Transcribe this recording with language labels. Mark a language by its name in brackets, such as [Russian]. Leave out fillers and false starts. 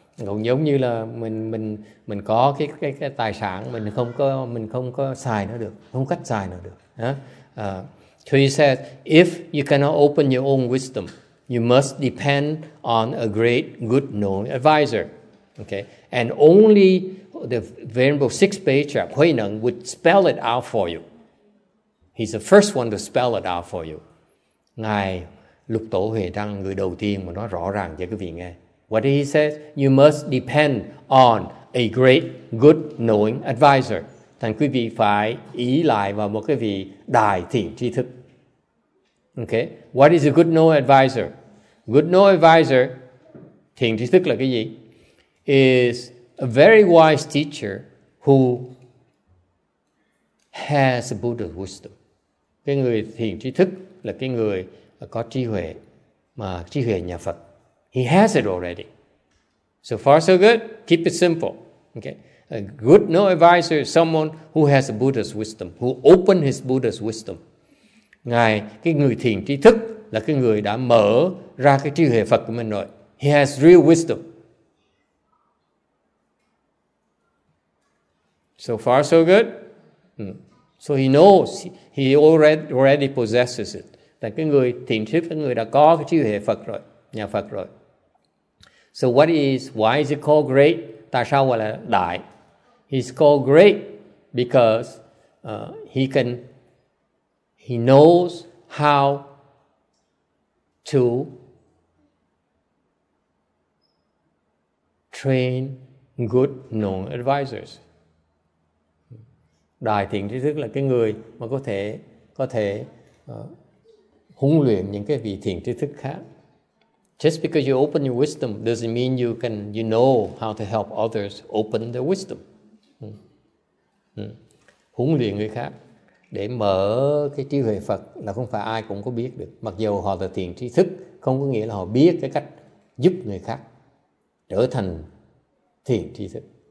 [Vietnamese] Cũng giống như là mình có cái tài sản mình không có xài nó được, không cách xài nó được. [English] Yeah. So he said, if you cannot open your own wisdom, you must depend on a great, good, known advisor. Okay. And only the Venerable Sixth Patriarch Huy Năng would spell it out for you. He's the first one to spell it out for you. [Vietnamese] Ngài Lục Tổ Huệ Năng người đầu tiên mà nói rõ ràng cho quý vị nghe. [English] What did he say? You must depend on a great, good, knowing advisor. [Vietnamese] Thành quý vị phải ý lại vào một cái vị đại thiện tri thức. [English] Okay. What is a good knowing advisor? Good knowing advisor, [Vietnamese] thiện tri thức là cái gì? [English] Is a very wise teacher who has a Buddha's wisdom. [Vietnamese] Cái người thiền trí thức là cái người có trí huệ, mà trí huệ nhà Phật. [English] He has it already. So far so good. Keep it simple. Okay. A good no advisor is someone who has a Buddha's wisdom, who opened his Buddha's wisdom. [Vietnamese] Ngài, cái người thiền trí thức là cái người đã mở ra cái trí huệ Phật của mình rồi. [English] He has real wisdom. So far so good. So he knows, he already possesses it. [Vietnamese] Tại cái người thiền trí thức, người đã có cái trí huệ Phật rồi, nhà Phật rồi. [English] So what is, why is it called great? [Vietnamese] Tại sao gọi là đại? [English] He's called great because he knows how to train good known advisors. [Vietnamese] Đại thiện tri thức là cái người mà có thể huấn luyện những cái vị thiện tri thức khác. [English] Just because you open your wisdom doesn't mean you know how to help others open their wisdom. [Vietnamese] Huấn luyện người khác để mở cái trí huệ Phật là không phải ai cũng có biết được. Mặc dù họ là thiện tri thức, không có nghĩa là họ biết cái cách giúp người khác trở thành thiện tri thức.